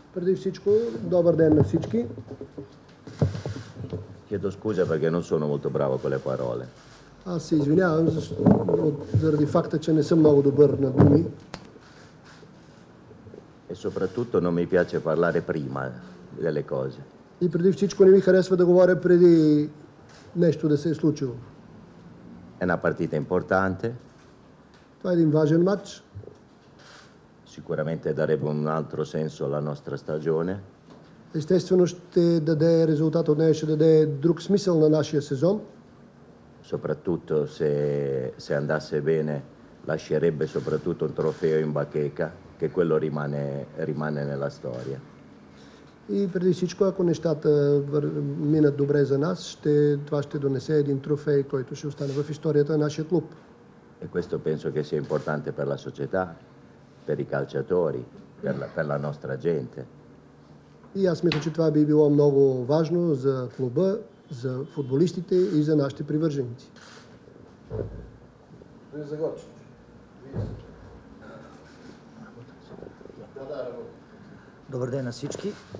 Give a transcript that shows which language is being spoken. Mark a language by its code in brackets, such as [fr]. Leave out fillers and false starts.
[it] Per di [bg] всичко, добър ден на всички. [it] Chiedo scusa perché non sono molto bravo con le parole. [bg] Аз се извинявам заради факта, че не съм много добър на думи. [it] E soprattutto non mi piace parlare prima delle cose. [bg] И преди всичко не ми харесва да говоря преди нещо да се е случило. [it] È una partita importante. [bg] Това е един важен матч. [it] Sicuramente darebbe un altro senso alla nostra stagione. [bg] Естествено ще даде резултат от нея, ще даде друг смисъл на нашия сезон. [it] Soprattutto se andasse bene, lascerebbe soprattutto un trofeo in bacheca, che quello rimane nella storia. [bg] И преди всичко, ако нещата минат добре за нас, това ще донесе един трофей, който ще остане в историята на нашия клуб. [it] E questo penso che sia importante per la società. Per i calciatori, per la nostra gente. [bg] И аз мисля, че това би било много важно за клуба, за футболистите и за нашите привърженици. Вие Загорчич. Добър ден на всички.